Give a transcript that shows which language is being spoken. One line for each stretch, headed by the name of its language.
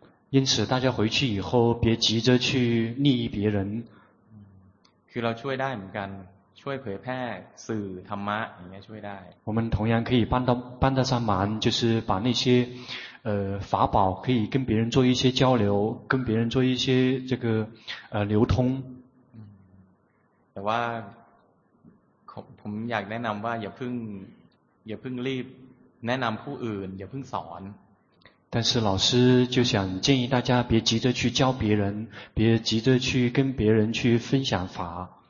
Chinese: 因此大家回去以后别急着去利益别人
Thai: คือเราช่วยได้เหมือนกันช่วยเผยแพร่สื่อธรรมะอย่างเงี้ยช่วยได้
Chinese: 我们同样可以帮得上忙就是把那些法宝可以跟别人做一些交流跟别人做一些这个流通
Thai: แต่ว่าผมอยากแนะนำว่าอย่าเพิ่งรีบแนะนำผู้อื่นอย่าเพิ่งสอน
Chinese: 但是老师就想建议大家别急着去教别人别急着去跟别人去分享法